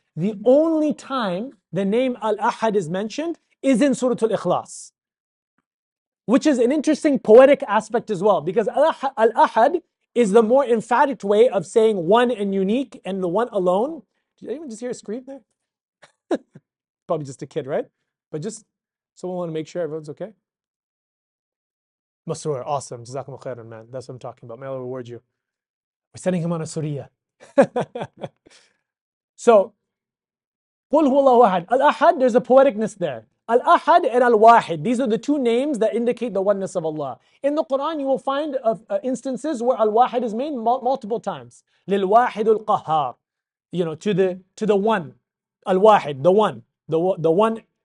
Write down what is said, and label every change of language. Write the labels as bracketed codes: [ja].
[en] The only time the name Al-Ahad is mentioned is in Surah Al-Ikhlas, which is an interesting poetic aspect as well, because Al-Ahad is the more emphatic way of saying one and unique and the one alone. Did anyone just hear a scream there? Probably just a kid, right? But just someone want to make sure everyone's okay? Masroor, awesome. Jazakum khairan, man. That's what I'm talking about. May Allah reward you. We're sending him on a suriya. [ar] So, قُلْ هُوَ اللَّهُ أَحَدْ. [en] Al-Ahad, there's a poeticness there. Al-Ahad and Al-Wahid, these are the two names that indicate the oneness of Allah. In the Quran, you will find instances where Al-Wahid is made multiple times. [ar] لِلْوَاحِدُ الْقَهَّارِ. [en] You know, to the one. Al-Wahid, the one. The one.